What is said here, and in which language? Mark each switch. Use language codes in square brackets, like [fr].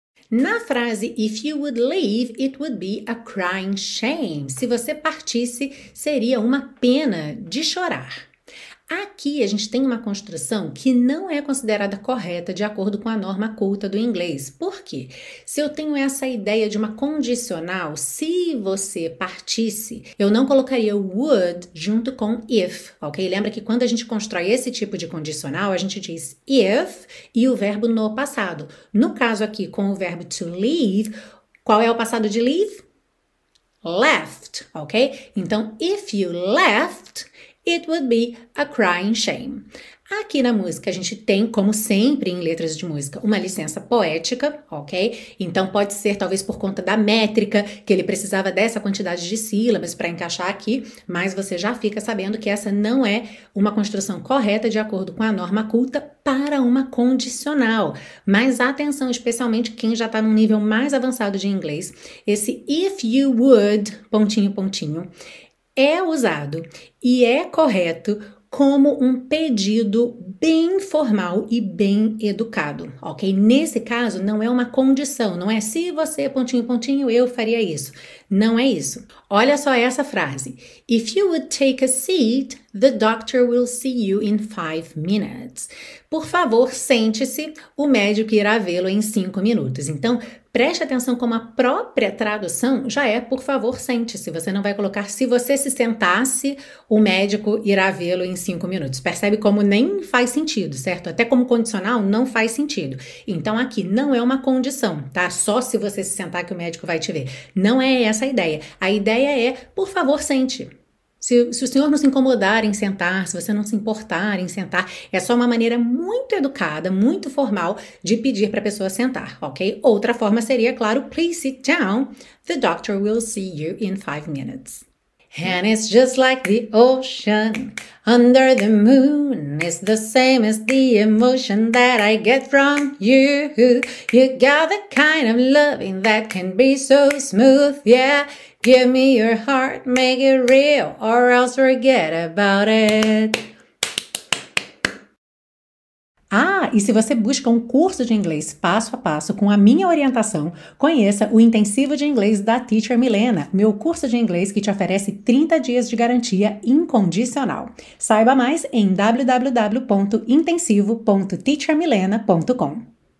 [pt] Na frase, [en] if you would leave, it would be a crying shame. [pt] Se você partisse, seria uma pena de chorar. Aqui a gente tem uma construção que não é considerada correta de acordo com a norma culta do inglês. Por quê? Se eu tenho essa ideia de uma condicional, se você partisse, eu não colocaria would junto com if, ok? Lembra que quando a gente constrói esse tipo de condicional, a gente diz if e o verbo no passado. No caso aqui, com o verbo to leave, qual é o passado de leave? [en] Left, ok? [pt] Então, [en] if you left, it would be a crying shame. [pt] Aqui na música, a gente tem, como sempre em letras de música, uma licença poética, ok? Então, pode ser, talvez, por conta da métrica, que ele precisava dessa quantidade de sílabas para encaixar aqui, mas você já fica sabendo que essa não é uma construção correta de acordo com a norma culta para uma condicional. Mas atenção, especialmente quem já está num nível mais avançado de inglês, esse [en] if you would, [pt] pontinho, pontinho, é usado e é correto como um pedido bem formal e bem educado, ok? Nesse caso, não é uma condição, não é se você, pontinho, pontinho, eu faria isso. Não é isso. Olha só essa frase. [en] If you would take a seat, the doctor will see you in 5 minutes. [pt] Por favor, sente-se, o médico irá vê-lo em 5 minutos. Então, preste atenção como a própria tradução já é por favor, sente-se. Você não vai colocar se você se sentasse, o médico irá vê-lo em 5 minutos. Percebe como nem faz sentido, certo? Até como condicional, não faz sentido. Então, aqui, não é uma condição, tá? Só se você se sentar que o médico vai te ver. Não é essa a ideia. A ideia é, por favor, sente. Se o senhor não se incomodar em sentar, se você não se importar em sentar, é só uma maneira muito educada, muito formal de pedir para a pessoa sentar, ok? Outra forma seria, claro, [en] please sit down. The doctor will see you in 5 minutes. And it's just like the ocean under the moon. It's the same as the emotion that I get from you. You got the kind of loving that can be so smooth, yeah. Give me your heart, make it real, or else forget about it. [pt] Ah, e se você busca um curso de inglês passo a passo com a minha orientação, conheça o Intensivo de Inglês da Teacher Milena, meu curso de inglês que te oferece 30 dias de garantia incondicional. Saiba mais em www.intensivo.teachermilena.com.